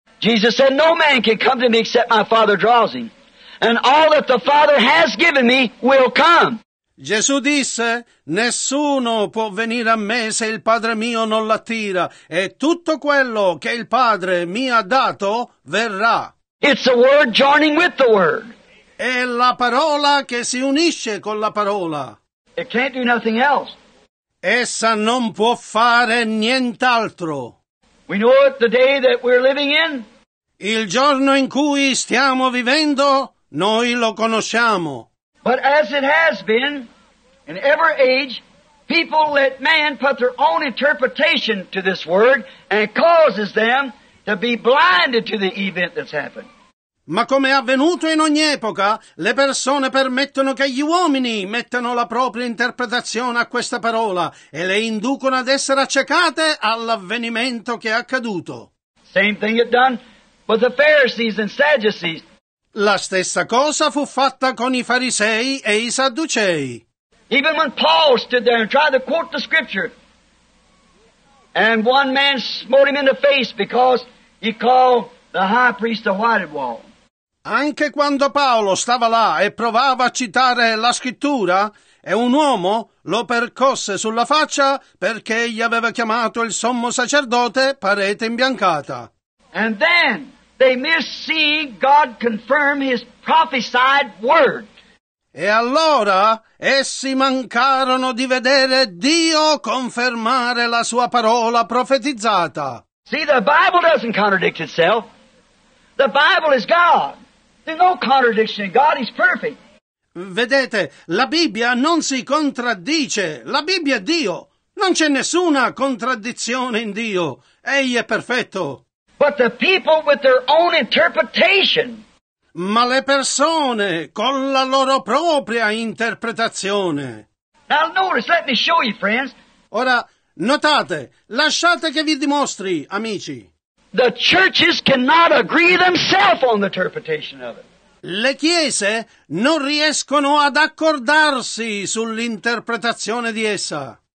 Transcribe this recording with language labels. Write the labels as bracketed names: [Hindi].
[English] Jesus said, no man can come to me except my Father draws him. And all that the Father has given me will come. [Italian] Gesù disse, nessuno può venire a me se il Padre mio non l'attira, e tutto quello che il Padre mi ha dato verrà. [English] It's a word joining with the word. [Italian] È la parola che si unisce con la parola. [English] It can't do nothing else. [Italian] Essa non può fare nient'altro. [English] We know it the day that we're living in. [Italian] Il giorno in cui stiamo vivendo, noi lo conosciamo. [English] But as it has been, in every age, people let man put their own interpretation to this word and causes them to be blinded to the event that's happened. [Italian] Ma come è avvenuto in ogni epoca, le persone permettono che gli uomini mettano la propria interpretazione a questa parola e le inducono ad essere accecate all'avvenimento che è accaduto. [English] Same thing it done with the Pharisees and Sadducees. [Italian] La stessa cosa fu fatta con i farisei e i sadducei. [English] Even when Paul stood there and tried to quote the scripture, and one man smote him in the face because he called the high priest a whited wall. [Italian] Anche quando Paolo stava là e provava a citare la scrittura, e un uomo lo percosse sulla faccia perché gli aveva chiamato il sommo sacerdote parete imbiancata. [English] And then they miss seeing God confirm His prophesied word. [Italian] E allora essi mancarono di vedere Dio confermare la sua parola profetizzata. [English] See, the Bible doesn't contradict itself. The Bible is God. There's no contradiction in God. He's perfect. [Italian] Vedete, la Bibbia non si contraddice. La Bibbia è Dio. Non c'è nessuna contraddizione in Dio. Egli è perfetto. [English] But the people with their own interpretation. [Italian] Ma le persone con la loro propria interpretazione. [English] Now notice, let me show you, friends. [Italian] Ora, notate, lasciate che vi dimostri, amici. [English] The churches cannot agree themselves on the interpretation of it. [Italian] le chiese non riescono ad accordarsi sull'interpretazione di essa.